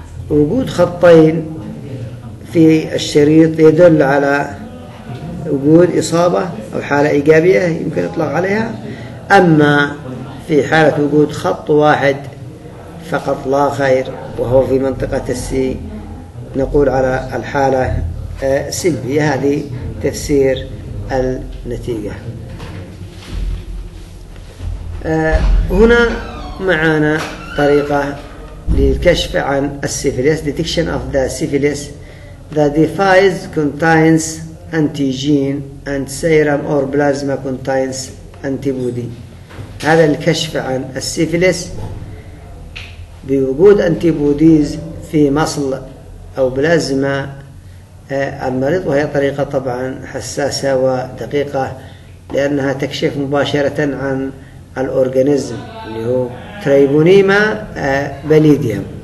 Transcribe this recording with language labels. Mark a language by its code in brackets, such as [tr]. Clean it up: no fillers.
[ar] وجود خطين في الشريط يدل على وجود إصابة أو حالة إيجابية يمكن إطلاق عليها، أما في حالة وجود خط واحد فقط لا خير وهو في منطقة السي نقول على الحالة سلبية. هذه تفسير النتيجة. هنا معانا طريقة للكشف عن السيفيليس: detection of the syphilis. [en] The device contains antigen and serum or plasma contains antibody. [ar] هذا الكشف عن السيفيليس بوجود أنتيبوديز في مصل أو بلازما المريض، وهي طريقة طبعا حساسة ودقيقة لأنها تكشف مباشرة عن الأورغانيزم اللي هو تريبونيما بليديم.